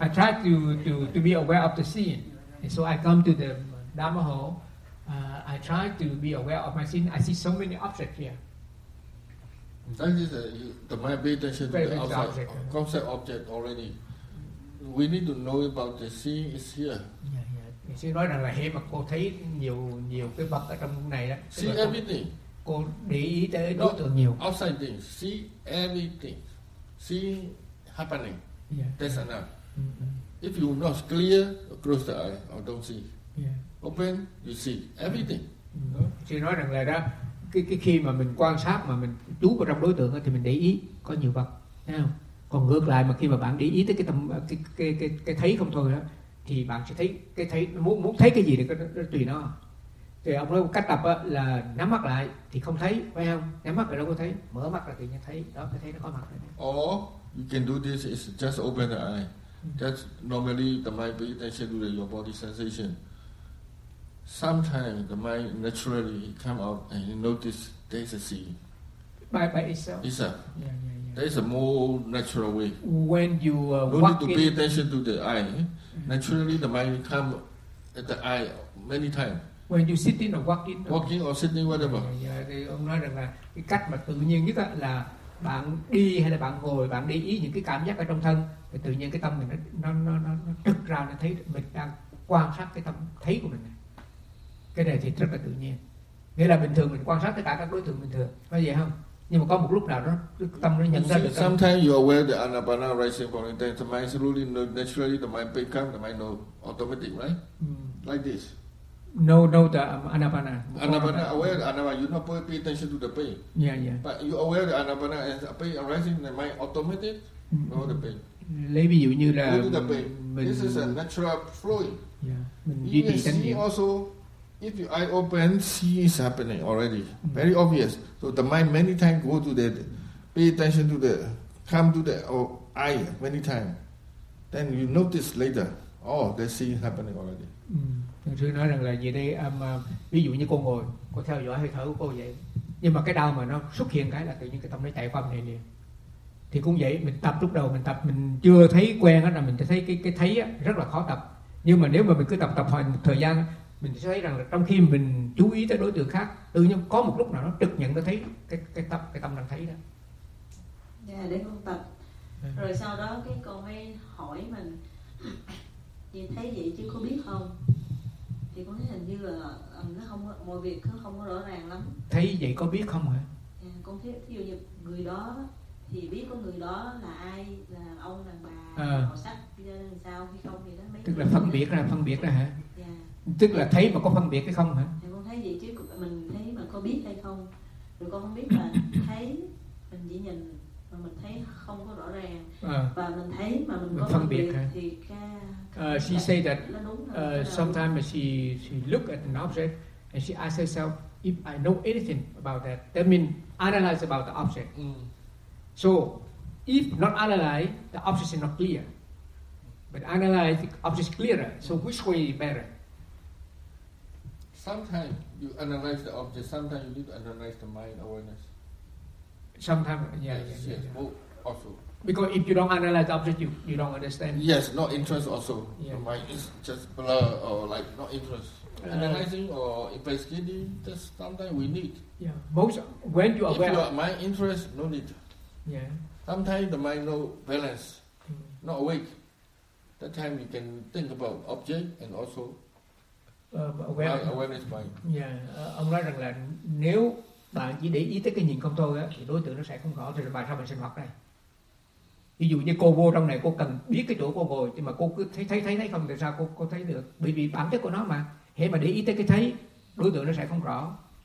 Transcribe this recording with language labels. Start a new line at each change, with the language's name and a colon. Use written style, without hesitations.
English: She said that. I try to be aware of the scene. And so I come to the Dharma Hall. I try to be aware of my scene. I see so many objects here. That is the my attention to the outside, concept object already. We need to know about the scene is here. Yeah, yeah.
Vietnamese: She nói rằng là hệ mà cô thấy nhiều cái vật ở trong này đó.
English: See everything.
Vietnamese: Cô để ý tới đối tượng nhiều.
English: Outside things, see everything, see happening. Yeah. That's enough. Mm-hmm. If you not clear, close the eye or don't see. Yeah. Open, you see everything. Mm-hmm.
Vietnamese: Chị nói rằng là đó, cái khi mà mình quan sát mà mình chú vào trong đối tượng thì mình để ý có nhiều vật. Còn ngược lại mà khi mà bạn để ý tới cái thấy không thôi đó, thì bạn sẽ thấy cái thấy muốn thấy cái gì thì nó tùy nó. Thì ông nói một cách tập là nhắm mắt lại thì không thấy, phải không? Nhắm mắt lại đâu có thấy, mở mắt là tự nhiên thấy, đó cái thấy nó có mặt.
English: Or you can do this is just open the eye. Just normally the mind pay attention to your body sensation. Sometimes the mind naturally come out and you notice there is a sea. By itself. Itself. Yeah, yeah, yeah. There is a more natural way. When you don't need to pay attention to the eye. Naturally the mind come at the eye many times. When you sit in or walk in. Walking or sitting, whatever.
Vietnamese: Yeah, ông nói rằng là cái cách mà tự nhiên nhất là bạn đi hay là bạn ngồi, bạn để ý những cái cảm giác ở trong thân, thì tự nhiên cái tâm mình nó trực ra, nó thấy mình đang quan sát cái tâm thấy của mình này. Cái này thì rất là tự nhiên. Nghĩa là bình thường mình quan sát tất cả các đối tượng bình thường, có vậy không? Nhưng mà có một lúc nào đó, tâm nó nhận ra được.
English: Sometimes you are aware the anapana rising from intent, the mind slowly, naturally, the mind pick up, the mind know automatic, right? Like this. No, the anapana. Anapana, aware the anapana. You not pay attention to the pain. Yeah, yeah. But you aware the anapana and pain arising in the mind automated, know the pain.
Vietnamese: Lấy ví dụ như là
English: this is a natural flowing. Yeah. You can see also, if your eye open, see is happening already. Mm-hmm. Very obvious. So the mind many times go to that, pay attention to the, come to the eye many times. Then you notice later, oh, they see happening already. Mm-hmm.
Vietnamese: Thường sư nói rằng là gì đây, ví dụ như cô ngồi, cô theo dõi hơi thở của cô vậy. Nhưng mà cái đau mà nó xuất hiện cái là tự nhiên cái tâm nó chạy qua mình liền. Thì cũng vậy, mình tập lúc đầu, mình tập mình chưa thấy quen là mình sẽ thấy cái thấy á, rất là khó tập. Nhưng mà nếu mà mình cứ tập hồi một thời gian, mình sẽ thấy rằng là trong khi mình chú ý tới đối tượng khác, tự nhiên có một lúc nào nó trực nhận nó thấy cái tâm đang thấy đó. Dạ,
English: yeah,
Vietnamese: để con tập. Rồi sau đó cái cô ấy hỏi mình nhìn thấy vậy chứ có biết không? Thì con thấy hình như là nó không, mọi việc nó không có rõ ràng lắm. Thấy vậy có biết không hả? Con thấy ví dụ như người đó thì biết có người đó là ai, là ông, đàn bà, họ sắc sao hay không thì đó mấy. Tức là phân biệt ra, phân biệt ra hả? Dạ. Tức là thấy mà có phân biệt hay không hả? Thì con thấy vậy chứ mình thấy mà có biết hay không? Rồi con không biết là thấy mình chỉ nhìn mà mình thấy không có rõ ràng và mình thấy mà mình có phân biệt hả? Thì ca.
English: She said that sometimes she look at an object and she asks herself, if I know anything about that, that means analyze about the object. Mm. So if not analyze, the object is not clear. But analyze, the object is clearer. So which way is better? Sometimes you analyze the object, sometimes you need to analyze the mind awareness. Sometimes, yeah. Yes, both also. Because if you don't analyze the object, you don't understand. Yes, not interest also. Yeah. The mind is just blur or like not interest. Analyzing or investigating, that's sometimes we need. Yeah. Most, when you are aware. If you are mind interest, no need. Yeah. Sometimes the mind no balance, not awake. That time you can think about object and also awareness mind. Yeah.
Vietnamese: Ông nói rằng là nếu bạn chỉ để ý tới cái nhìn không thôi á, thì đối tượng nó sẽ không có, thì bạn sao mình sinh hoạt này? Ví dụ như cô vô trong này, cô cần biết cái chỗ cô ngồi, nhưng mà cô cứ thấy không, thì sao cô thấy được? Bởi vì bản chất của nó mà, hễ mà để ý tới cái thấy, đối tượng nó sẽ không rõ.